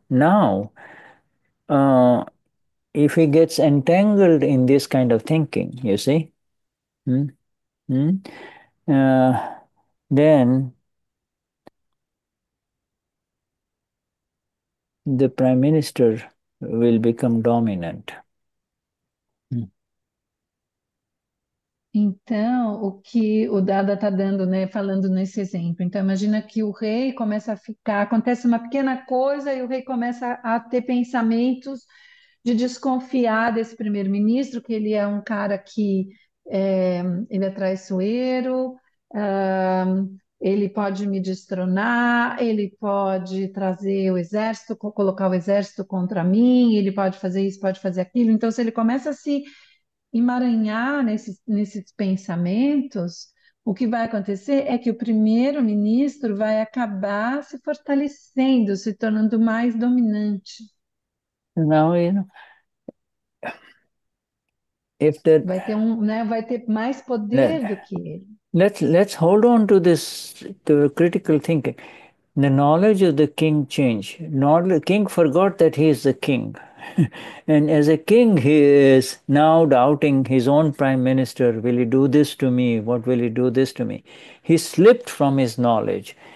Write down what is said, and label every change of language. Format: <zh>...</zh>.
<en>Now, if he gets entangled in this kind of thinking, you see, then the prime minister will become dominant.</en> <pt>Então, o que o Dada está dando, né, falando nesse exemplo. Então, imagina que o rei começa a ficar, acontece uma pequena coisa e o rei começa a ter pensamentos de desconfiar desse primeiro-ministro, que ele é um cara que ele é traiçoeiro, ele pode me destronar, ele pode trazer o exército, colocar o exército contra mim, ele pode fazer isso, pode fazer aquilo. Então, se ele começa a se emaranhar nesses pensamentos, o que vai acontecer é que o primeiro-ministro vai acabar se fortalecendo, se tornando mais dominante.</pt> <en>Now, if that,</en> <pt>Vai ter um, né, vai ter mais poder do</pt> <en>let,</en> <pt>que ele.</pt> <en>let's hold on to this, to critical thinking. The knowledge of the king changed. The king forgot that he is the king. And as a king, he is now doubting his own prime minister. Will he do this to me? What will he do this to me? He slipped from his knowledge.</en>